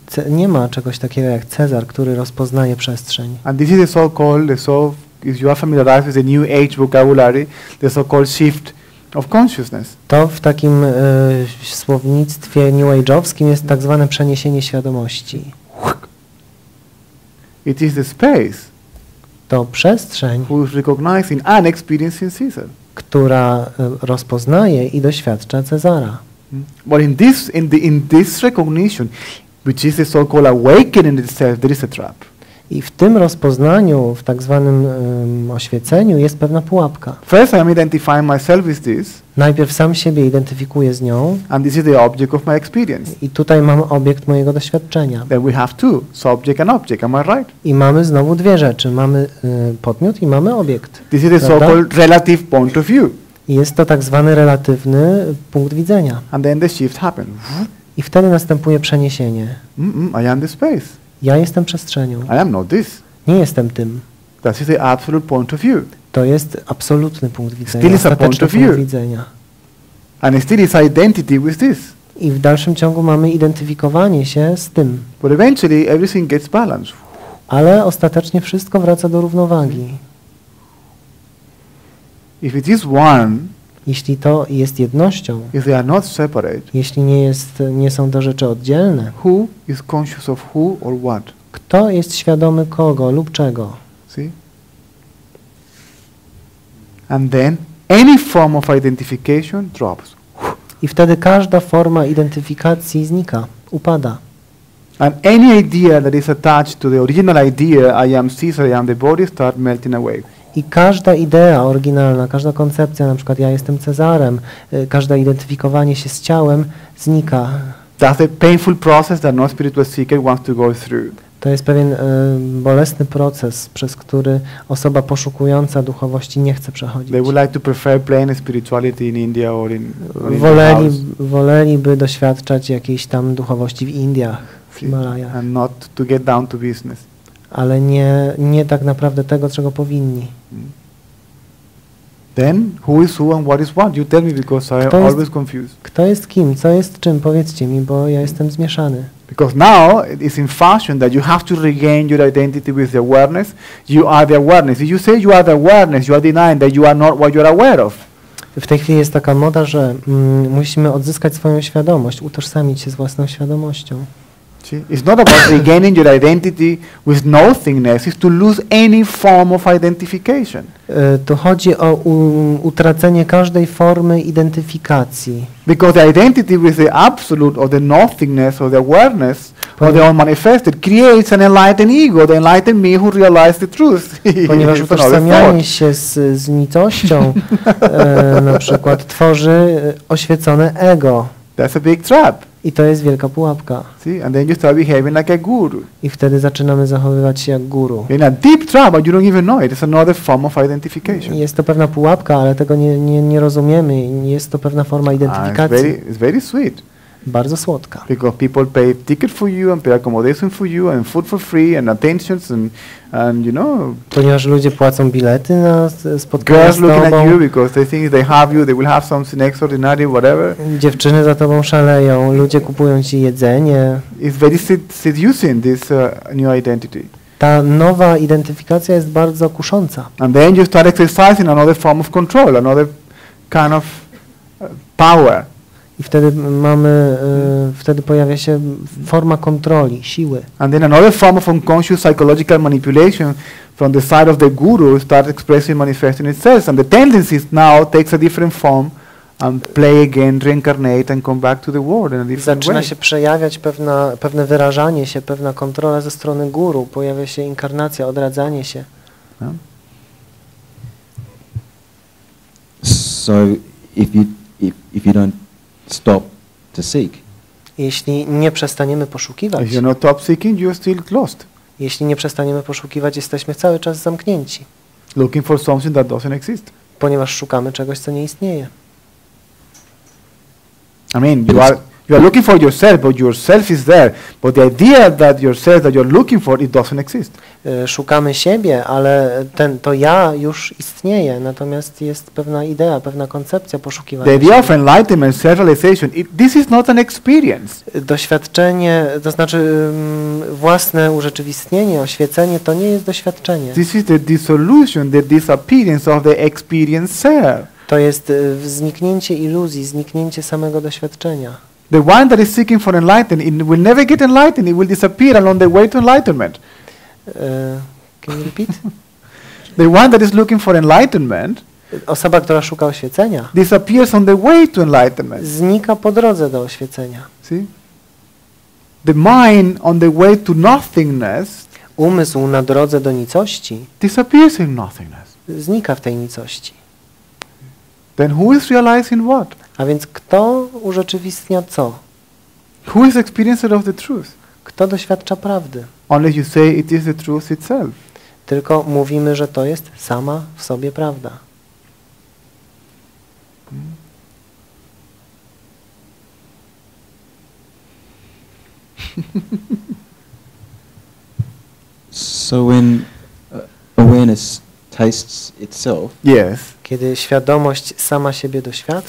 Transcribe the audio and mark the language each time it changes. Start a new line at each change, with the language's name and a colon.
Polish: nie ma czegoś takiego jak Cezar, który rozpoznaje przestrzeń.
English: And this is the so-called, if you are familiarized with the New Age vocabulary, the so-called shift of consciousness.
Polish: To w takim słownictwie New Age'owskim jest tak zwane przeniesienie świadomości.
English: It is the space.
Polish: To przestrzeń,
English: who is recognizing and experiencing Caesar.
Polish: Która rozpoznaje i doświadcza Cezara.
English: But in this recognition, which is the so-called awakening itself, there is a trap.
Polish: I w tym rozpoznaniu, w tak zwanym oświeceniu, jest pewna pułapka.
English: First I am identifying myself with this.
Polish: Najpierw sam siebie identyfikuję z nią.
English: And this is the object of my experience.
Polish: I tutaj mam obiekt mojego doświadczenia.
English: Then we have two, subject and object. Am I right?
Polish: I mamy znowu dwie rzeczy. Mamy podmiot i mamy obiekt.
English: This is the so-called relative point of view.
Polish: I jest to tak zwany relatywny punkt widzenia.
English: And then the shift happens.
Polish: I wtedy następuje przeniesienie.
English: I am the space.
Polish: Ja jestem przestrzenią.
English: I am not this.
Polish: Nie jestem tym.
English: That is the absolute point of view.
Polish: To jest absolutny punkt widzenia.
English: Still is a point of view. And still is identity with this.
Polish: I w dalszym ciągu mamy identyfikowanie się z tym.
English: But eventually everything gets balanced.
Polish: Ale ostatecznie wszystko wraca do równowagi.
English: If it is one,
Polish: jeśli to jest jednością,
English: if they are not separate,
Polish: jeśli nie są to rzeczy oddzielne,
English: who is conscious of who or what?
Polish: Kto jest świadomy kogo lub czego?
English: See? And then any form of identification drops.
Polish: I wtedy każda forma identyfikacji znika, upada.
English: And any idea that is attached to the original idea, I am Caesar, I am the body, start melting away.
Polish: I każda idea oryginalna, każda koncepcja, na przykład ja jestem Cezarem, każde identyfikowanie się z ciałem znika.
English: That's a painful process that no spiritual seeker wants to go through.
Polish: To jest pewien bolesny proces, przez który osoba poszukująca duchowości nie chce przechodzić.
English: They would like to prefer plain spirituality in India or in
Polish: Woleliby doświadczać jakiejś tam duchowości w Indiach, w Himalajach.
English: And not to get down to business.
Polish: Ale nie tak naprawdę tego, czego powinni.
English: Then who is who and what is what? You tell me because I am always confused.
Polish: Kto jest kim? Co jest czym? Powiedzcie mi, bo ja jestem zmieszany.
English: Because now it is in fashion that you have to regain your identity with the awareness. You are the awareness. If you say you are the awareness, you are denying that you are not what you are aware of.
Polish: W tej chwili jest taka moda, że musimy odzyskać swoją świadomość, utożsamić się z własną świadomością.
English: It's not about regaining your identity with nothingness, it's to lose any form of identification.
Polish: To chodzi o utracenie każdej formy identyfikacji.
English: Because the identity with the absolute or the nothingness or the awareness or the unmanifested creates an enlightened ego, the enlightened me who realizes the truth.
Polish: Ponieważ utożsamianie się z nicością na przykład tworzy oświecone ego.
English: That's a big trap.
Polish: I to jest wielka pułapka.
English: See? And then you start behaving like a guru.
Polish: I wtedy zaczynamy zachowywać się jak guru.
English: In a deep trap, but you don't even know it. It's another form of identification.
Polish: Jest to pewna pułapka, ale tego nie rozumiemy. Jest to pewna forma identyfikacji.
English: It's very sweet.
Polish: Bardzo słodka.
English: Because people pay ticket for you and pay accommodation for you and food for free and attentions and you know.
Polish: Ponieważ ludzie płacą bilety na spotkania.
English: Girls looking at you because they think they have you, they will have something extraordinary, whatever.
Polish: Dziewczyny za tobą szaleją, ludzie kupują ci jedzenie.
English: It's very seducing this new identity.
Polish: Ta nowa identyfikacja jest bardzo kusząca.
English: And then you start exercising another form of control, another kind of power.
Polish: I wtedy mamy, wtedy pojawia się forma kontroli, siły.
English: And then another form of unconscious psychological manipulation from the side of the guru starts expressing, manifesting itself. And the tendency now takes a different form and play again, reincarnate and come back to the world in a different
Polish: zaczyna
English: way.
Polish: Zaczyna się przejawiać pewne wyrażanie się, pewna kontrola ze strony guru. Pojawia się inkarnacja, odradzanie się.
English: So if you don't stop to seek.
Polish: Jeśli nie przestaniemy poszukiwać.
English: If you're not stop seeking, you're still closed.
Polish: Jeśli nie przestaniemy poszukiwać, jesteśmy cały czas zamknięci.
English: Looking for something that doesn't exist.
Polish: Ponieważ szukamy czegoś, co nie istnieje.
English: I mean, you are You are looking for yourself, but yourself is there. But the idea that yourself that you're looking for, it doesn't exist.
Polish: Szukamy siebie, ale ten to ja już istnieje. Natomiast jest pewna idea, pewna koncepcja poszukiwania.
English: The idea of enlightenment, self-realization, this is not an experience.
Polish: Doświadczenie, to znaczy własne urzeczywistnienie, oświecenie, to nie jest doświadczenie.
English: This is the dissolution, the disappearance of the experience self.
Polish: To jest zniknięcie iluzji, zniknięcie samego doświadczenia.
English: The one that is seeking for enlightenment, it will never get enlightened. It will disappear along the way to enlightenment. Can you repeat? The one that is looking for enlightenment,
Polish: osoba, która szuka oświecenia,
English: disappears on the way to enlightenment.
Polish: Znika po drodze do oświecenia.
English: See? The mind on the way to nothingness,
Polish: umysł na drodze do nicości,
English: disappears in nothingness.
Polish: Znika w tej nicości.
English: Then who is realizing what?
Polish: A więc kto urzeczywistnia co?
English: Who is experiencer of the truth?
Polish: Kto doświadcza prawdy?
English: Only you say it is the truth itself.
Polish: Tylko mówimy, że to jest sama w sobie prawda.
English: So when awareness tastes itself. Yes.
Polish: Kiedy świadomość sama siebie doświadcza,